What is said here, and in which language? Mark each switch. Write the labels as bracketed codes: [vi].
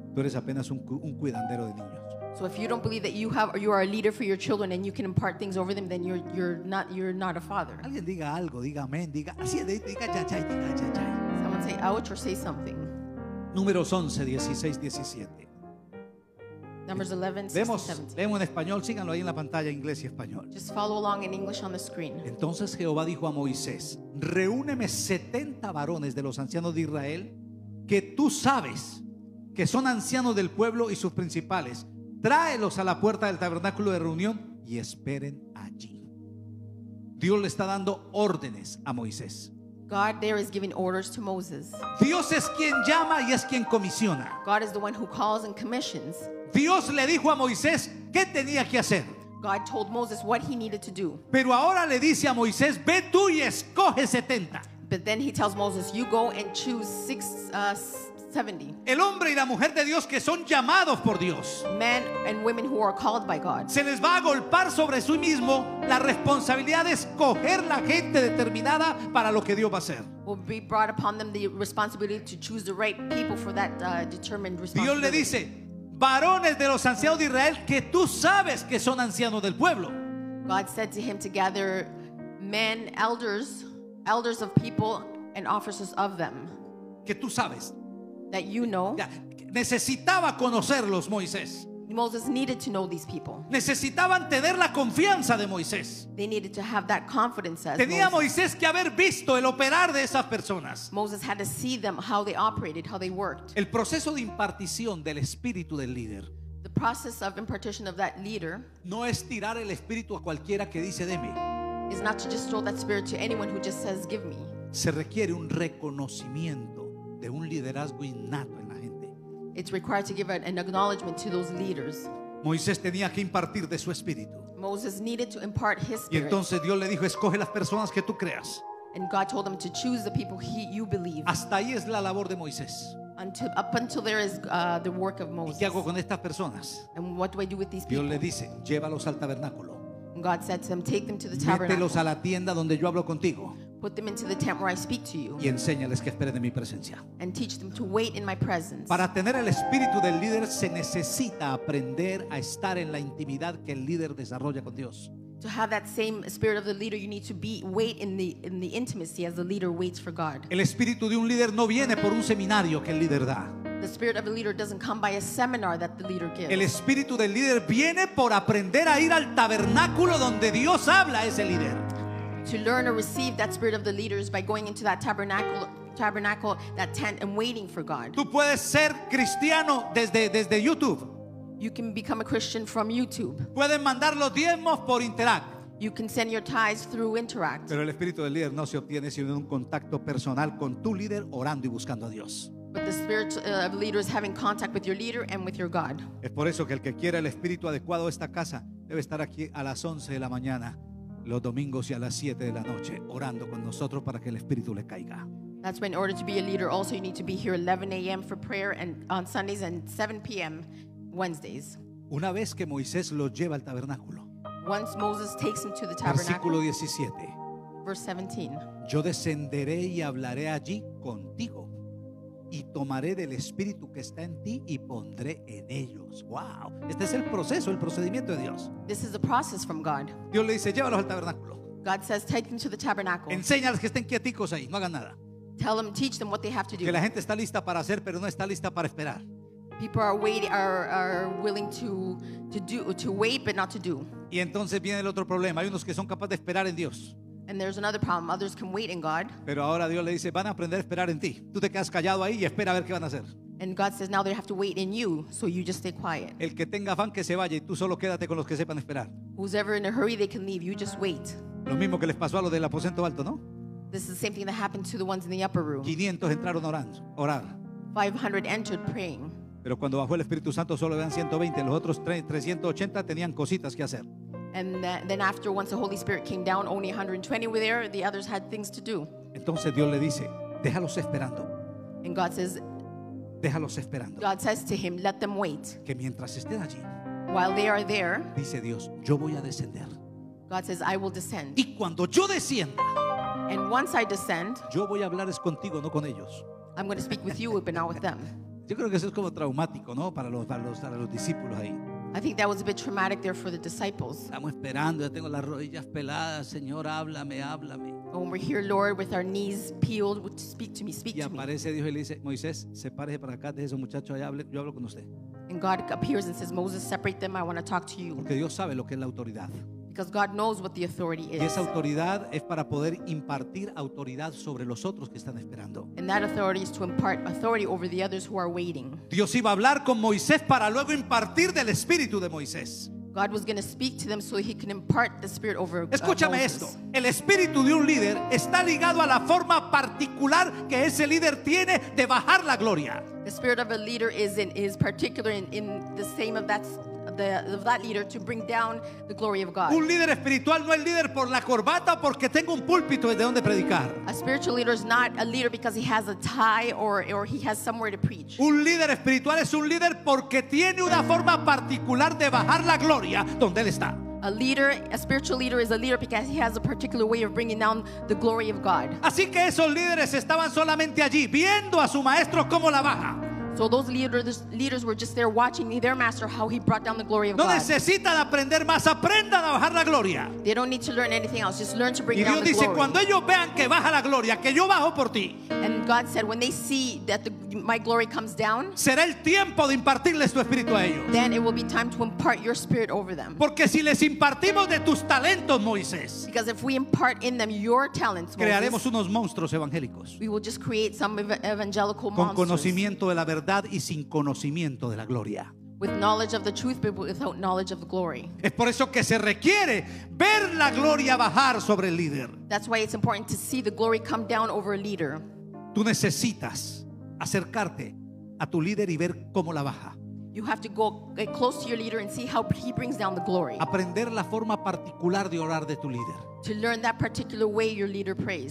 [es] Tú eres apenas un cuidandero de niños. [en] So if you don't believe that you are a leader for your children and you can impart things over them, then you're not a father. [es] Alguien diga algo, diga amén, diga así, diga ya, ya, diga ya, ya. [en] Someone say ouch or say something. [es] Números 11, 16, 17. [en] Numbers 11, 16, 17. [es] Vemos en español, síganlo ahí en la pantalla, inglés y español. [en] Just follow along in English on the screen. [es] Entonces Jehová dijo a Moisés, reúneme 70 varones de los ancianos de Israel que tú sabes que son ancianos del pueblo y sus principales. Tráelos a la puerta del tabernáculo de reunión y esperen allí. Dios le está dando órdenes a Moisés. [en] God there is giving orders to Moses. [es] Dios es quien llama y es quien comisiona. [en] God is the one who calls and commissions. [es] Dios le dijo a Moisés qué tenía que hacer. [en] God told Moses what he needed to do. [es] Pero ahora le dice a Moisés, ve tú y escoge 70. [en] But then he tells Moses, you go and choose 70. [es] El hombre y la mujer de Dios que son llamados por Dios. [en] Men and women who are called by God. [es] Se les va a golpear sobre sí mismo la responsabilidad de escoger la gente determinada para lo que Dios va a hacer. [en] Will be brought upon them the responsibility to choose the right people for that determined responsibility. [es] Dios le dice, varones de los ancianos de Israel que tú sabes que son ancianos del pueblo. [en] God said to him to gather men, elders of people and officers of them. [es] Que tú sabes. [en] That you know. [es] Necesitaba conocerlos, Moisés. [en] Moses needed to know these people. [es] Necesitaban tener la confianza de Moisés. [en] They needed to have that confidence. [es] Tenía Moisés que haber visto el operar de esas personas. [en] Moses had to see them how they operated, how they worked. [es] El proceso de impartición del espíritu del líder. [en] The process of impartition of that leader. [es] No es tirar el espíritu a cualquiera que dice deme. [en] Is not to just throw that spirit to anyone who just says give me. [es] Se requiere un reconocimiento de un liderazgo innato en la gente. [en] It's required to give an acknowledgement to those leaders. [es] Moisés tenía que impartir de su espíritu. [en] Moses needed to impart his spirit. [es] Y entonces Dios le dijo, escoge las personas que tú creas. [en] And God told him to choose the people you believe. [es] Hasta ahí es la labor de Moisés. [en] Up until there is the work of Moses. [es] ¿Y qué hago con estas personas? [en] And what do I do with these [es] Dios [en] people? [es] Le dice, llévalos al tabernáculo. [en] And God said to them, take them to the tabernacle. [es] Mételos a la tienda donde yo hablo contigo. [en] Put them into the tent where I speak to you. [es] Y enséñales que esperen en mi presencia. [en] And teach them to wait in my presence. [es] Para tener el espíritu del líder se necesita aprender a estar en la intimidad que el líder desarrolla con Dios. [en] To have that same spirit of the leader, you need to wait in the intimacy as the leader waits for God. [es] El espíritu de un líder no viene por un seminario que el líder da. [en] The spirit of a leader doesn't come by a seminar that the leader gives. [es] El espíritu del líder viene por aprender a ir al tabernáculo donde Dios habla a ese líder. [en] To learn or receive that spirit of the leaders by going into that tabernacle, that tent, and waiting for God. [es] Tú puedes ser cristiano desde YouTube. [en] You can become a Christian from YouTube. [es] Puedes mandar los diezmos por Interact. [en] You can send your tithes through Interact. [es] Pero el espíritu del líder no se obtiene sin un contacto personal con tu líder orando y buscando a Dios. [en] But the spirit of leaders having contact with your leader and with your God. [es] Es por eso que el que quiera el espíritu adecuado de esta casa debe estar aquí a las 11 de la mañana los domingos y a las 7 de la noche orando con nosotros para que el espíritu le caiga. [en] That's why in order to be a leader also you need to be here 11 a.m. for prayer and on Sundays and 7 p.m. Wednesdays. [es] Una vez que Moisés los lleva al tabernáculo. [en] Once Moses takes him to the tabernacle. [es] Versículo 17. [en] Verse 17. [es] Yo descenderé y hablaré allí contigo y tomaré del espíritu que está en ti y pondré en ellos. Wow. Este es el proceso, el procedimiento de Dios. [en] This is the process from God. [es] Dios le dice, llévalos al tabernáculo. [en] God says, take them to the tabernacle. [es] Enséñales que estén quieticos ahí, no hagan nada. [en] Tell them, teach them what they have to do. [es] Que la gente está lista para hacer, pero no está lista para esperar. [en] People are waiting, are willing to wait, but not to do. [es] Y entonces viene el otro problema. Hay unos que son capaces de esperar en Dios. [en] And there's another problem. Others can wait in God. [es] Pero ahora Dios le dice, van a aprender a esperar en ti. Tú te quedas callado ahí y espera a ver qué van a hacer. [en] And God says, now they have to wait in you, so you just stay quiet. [es] El que tenga afán que se vaya y tú solo quédate con los que sepan esperar. [en] Who's ever in a hurry, they can leave. You just wait. [es] Lo mismo que les pasó a los del aposento alto, ¿no? [en] This is the same thing that happened to the ones in the upper room. [es] 500 entraron orando. [en] 500 entered praying. [es] Pero cuando bajó el Espíritu Santo solo eran 120, los otros 380 tenían cositas que hacer. [en] And then after once the Holy Spirit came down, only 120 were there, the others had things to do. [es] Entonces Dios le dice, déjalos esperando. [en] And God says, [es] déjalos esperando. [en] God says to him, let them wait. [es] Que mientras estén allí, [en] while they are there, [es] dice Dios, yo voy a descender. [en] God says, I will descend. [es] Y cuando yo descienda, [en] and once I descend, [es] yo voy a hablarles contigo, no con ellos. [en] I'm going to speak with you, but not with them. [es] Yo creo que eso es como traumático, ¿no? Para los discípulos ahí. [en] I think that was a bit traumatic there for the disciples. [es] Estamos esperando, ya tengo las rodillas peladas, Señor, háblame. [en] When we're here, Lord, with our knees peeled, speak to me, speak to me. [es] Y aparece Dios y le dice, Moisés, sepárese para acá, deje esos muchachos allá, yo hablo con usted. [en] And God appears and says, Moses, separate them, I want to talk to you. [es] Porque Dios sabe lo que es la autoridad. [en] Because God knows what the authority is. [es] Y esa autoridad es para poder impartir autoridad sobre los otros que están esperando. [en] And that authority is to impart authority over the others who are waiting. [es] Dios iba a hablar con Moisés para luego impartir del espíritu de Moisés. [en] God was going to speak to them so he can impart the spirit over Moses. [es] Escúchame esto. El espíritu de un líder está ligado a la forma particular que ese líder tiene de bajar la gloria. [en] The spirit of a leader is particular in the same of that of that leader to bring down the glory of God. [es] Un líder espiritual no es líder por la corbata o porque tenga un púlpito desde donde predicar. [en] A spiritual leader is not a leader because he has a tie or he has somewhere to preach. [es] Un líder espiritual es un líder porque tiene una forma particular de bajar la gloria donde él está. [en] A spiritual leader is a leader because he has a particular way of bringing down the glory of God. [es] Así que esos líderes estaban solamente allí viendo a su maestro cómo la baja. [en] So those leaders were just there watching their master how he brought down the glory of [es] no [en] God. [es] Necesitan aprender más, aprendan a bajar la gloria. [en] They don't need to learn anything else, just learn to bring [es] y Dios [en] down the [es] dice, [en] glory. [es] Cuando ellos vean que baja la gloria, que yo bajo por ti. [en] And God said, when they see that my glory comes down, [es] será el tiempo de impartirles tu espíritu a ellos. [en] Then it will be time to impart your spirit over them. [es] Porque si les impartimos de tus talentos, Moisés, [en] because if we impart in them your talents, Moses, [es] crearemos unos monstruos evangélicos. [en] We will just create some evangelical [es] con [en] monsters. [es] Con conocimiento de la verdad y sin conocimiento de la gloria. [en] With knowledge of the truth, but without knowledge of the glory. [es] Es por eso que se requiere ver la gloria bajar sobre el líder. [en] That's why it's important to see the glory come down over a leader. [es] Tú necesitas acercarte a tu líder y ver cómo la baja. [en] You have to go close to your leader and see how he brings down the glory. [es] Aprender la forma particular de orar de tu líder. [en] To learn that particular way your leader prays.